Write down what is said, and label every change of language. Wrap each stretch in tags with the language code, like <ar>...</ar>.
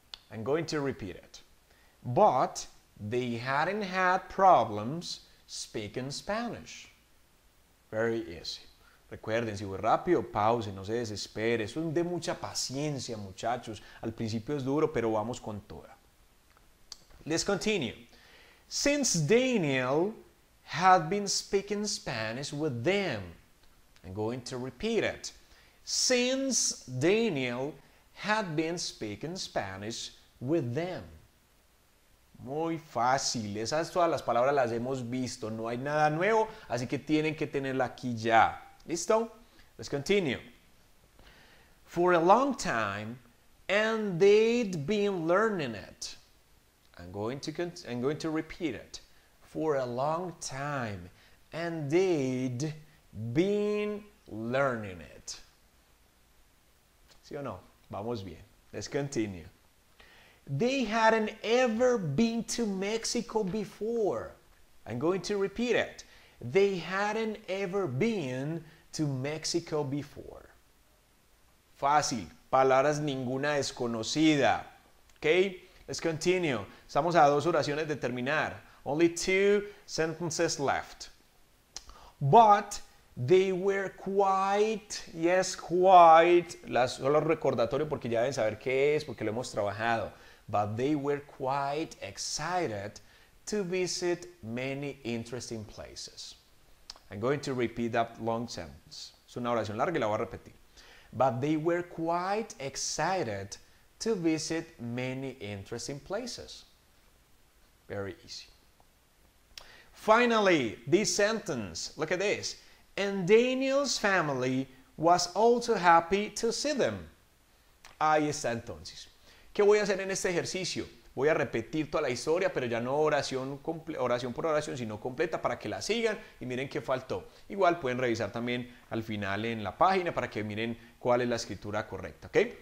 <en>I'm going to repeat it. But they hadn't had problems speaking Spanish. Very easy.</en> <es>Recuerden, si voy rápido, pause, no se desespere. Eso es de mucha paciencia, muchachos. Al principio es duro, pero vamos con toda.</es> <en>Let's continue. Since Daniel had been speaking Spanish with them. I'm going to repeat it. Since Daniel had been speaking Spanish with them.</en> <es>Muy fácil, esas todas las palabras las hemos visto, no hay nada nuevo, así que tienen que tenerla aquí ya.</es> <en>¿Listo? Let's continue. For a long time, and they'd been learning it. I'm going to repeat it. For a long time, and they'd been learning it. ¿Sí o no? Vamos bien. Let's continue. They hadn't ever been to Mexico before. I'm going to repeat it. they hadn't ever been to Mexico before.</en> <es>Fácil. Palabras ninguna desconocida. Okay? Let's continue. Estamos a dos oraciones de terminar. Only two sentences left.</es> <en>But they were quite,</en> <es>yes, quite, solo recordatorio porque ya deben saber qué es, porque lo hemos trabajado.</es> <en>But they were quite excited to visit many interesting places. I'm going to repeat that long sentence.</en> <es>Es una oración larga y la voy a repetir.</es> <en>But they were quite excited to visit many interesting places. Very easy. Finally, this sentence, look at this. And Daniel's family was also happy to see them.</en> <es>Ahí está entonces. ¿Qué voy a hacer en este ejercicio? Voy a repetir toda la historia, pero ya no oración por oración, sino completa para que la sigan y miren qué faltó. Igual pueden revisar también al final en la página para que miren cuál es la escritura correcta, ¿ok?</es>